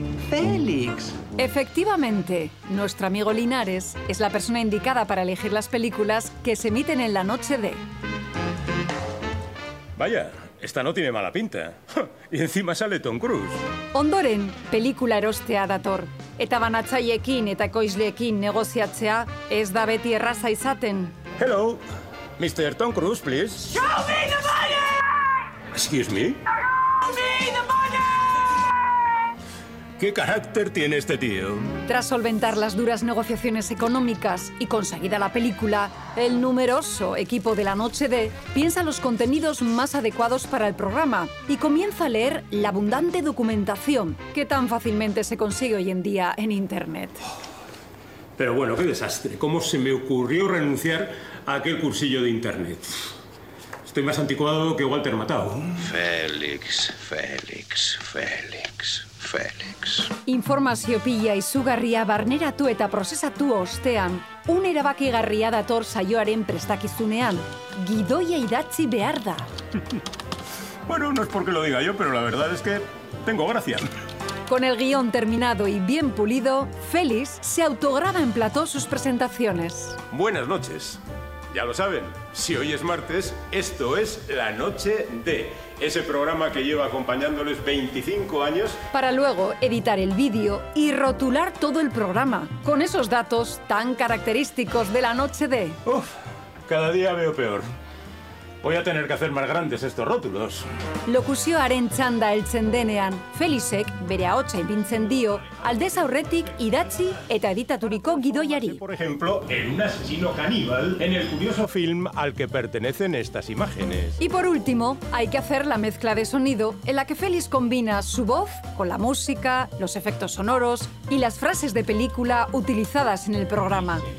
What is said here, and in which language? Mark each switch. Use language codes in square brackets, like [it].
[es] ¡Félix! Efectivamente, nuestro amigo Linares es la persona indicada para elegir las películas que se emiten en la noche de... Vaya, esta no tiene mala pinta. Y encima sale Tom Cruise. [eu] Ondoren, película erostea dator. Eta banatzaiekin eta ekoizleekin negoziatzea ez da beti erraza izaten. [en] Hello, Mr. Tom Cruise, please. Show me the money! Excuse me? [es] ¿Qué carácter tiene este tío? Tras solventar las duras negociaciones económicas y conseguida la película, el numeroso equipo de la noche de piensa los contenidos más adecuados para el programa y comienza a leer la abundante documentación que tan fácilmente se consigue hoy en día en Internet. Pero bueno, qué desastre. ¿Cómo se me ocurrió renunciar a aquel cursillo de Internet? Estoy más anticuado que Walter Matthau. Félix, Félix, Félix. Félix. [eu] Informazio pila izugarria barneratu eta prozesatu ostean, un erabakigarria dator saioaren prestakizunean. Gidoia idatzi behar da. [es] Bueno, no es porque lo diga yo, pero la verdad es que tengo gracia. Con el guión terminado y bien pulido, Félix se autograba en plató sus presentaciones. Buenas noches. Ya lo saben, si hoy es martes, esto es La Noche de... Ese programa que lleva acompañándoles 25 años... Para luego editar el vídeo y rotular todo el programa, con esos datos tan característicos de La Noche de... Uf, cada día veo peor. Voy a tener que hacer más grandes estos rótulos. [eu] Locuzioaren txanda heltzen denean, Felixek bere ahotsa ipintzen dio, aldez aurretik idatzi eta editaturiko gidoiari. [es] Por ejemplo, en un asesino caníbal, en el curioso film al que pertenecen estas imágenes. Y por último, hay que hacer la mezcla de sonido en la que Félix combina su voz con la música, los efectos sonoros y las frases de película utilizadas en el programa.